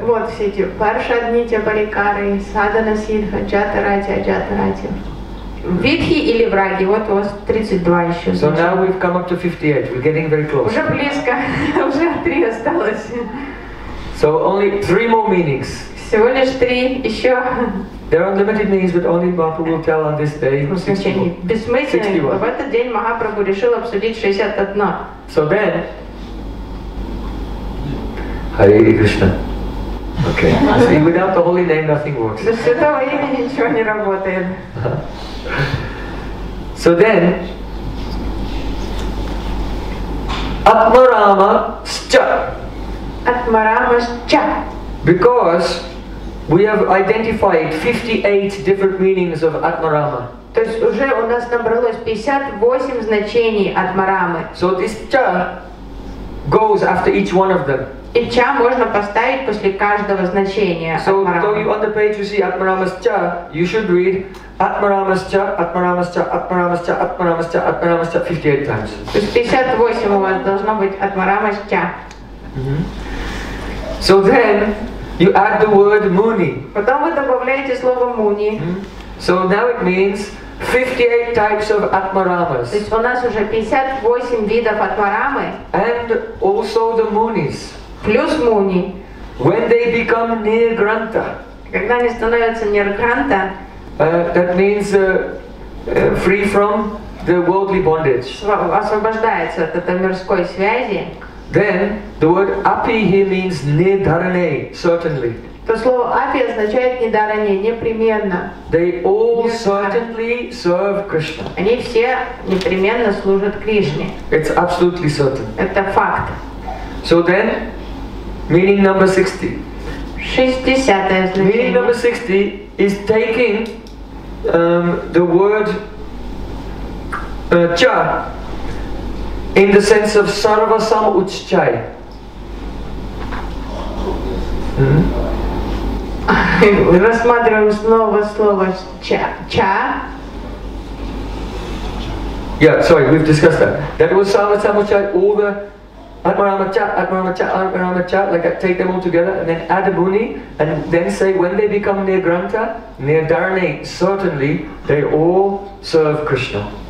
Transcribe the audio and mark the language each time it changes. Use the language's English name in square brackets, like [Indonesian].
[Russian] Вот все эти паршадни, тяпарикары, садана сидха, джатарати, аджатарати. Видхи или враги, вот у вас 32 еще. [English] So now we've come up to 58. We're getting very close. [Russian] Уже близко, уже 3 осталось. [English] So only 3 more meanings. [Russian] Всего лишь три, еще. [English] There are unlimited meanings, but only Mahaprabhu will tell on this day. [Russian] Бессмысленно. В этот день Махапрабху решил обсудить 61. [English] So then, Hare Krishna. Okay. See, without the holy name, nothing works. [Russian] Без святого имени ничего не работает. [English] So then, Atmaramascha. [Sanskrit] Atmaramascha. [English] Because we have identified 58 different meanings of Atmarama. [Russian] То есть уже у нас набралось 58 значений Атмарамы. [English] So this cha goes after each one of them. [Russian] И ча можно поставить после каждого значения [English] Атмарамы. So on the page you see Atmarama's cha, you should read Atmarama's cha, Atmarama's cha, Atmarama's cha, Atmarama's cha, Atmarama's cha 58 times. [Russian] То есть 58 у вас должно быть Атмарама's cha. [English] So then, you add the word Muni. [Russian] Потом вы добавляете слово Муни. [English] So now it means 58 types of Atmaramas. [Russian] То есть у нас уже 58 видов Атмарамы. [English] And also the Munis. [Russian] Плюс Муни. [English] When they become Nirgranta. [Russian] Когда они становятся Nirgranta. [English] That means free from the worldly bondage. [Russian] Освобождается от этой мирской связи. [English] Then the word api here means nidharane, certainly. [Russian] То слово api означает nidharane, непременно. [English] They all certainly serve Krishna. [Russian] Они все непременно служат Кришне. [English] It's absolutely certain. [Russian] Это факт. [English] So then, meaning number 60. [Russian] 60-е значение. [English] Meaning number 60 is taking the word cha. In the sense of sarvasam uchchai. [Russian] Рассматриваем снова слово cha. [English] Yeah, sorry, we've discussed that. That was sarvasam uchchai, all the atmarama cha, atmarama cha, atmarama cha, like I take them all together and then add a muni and then say when they become nirgranta, nirdharane, certainly they all serve Krishna.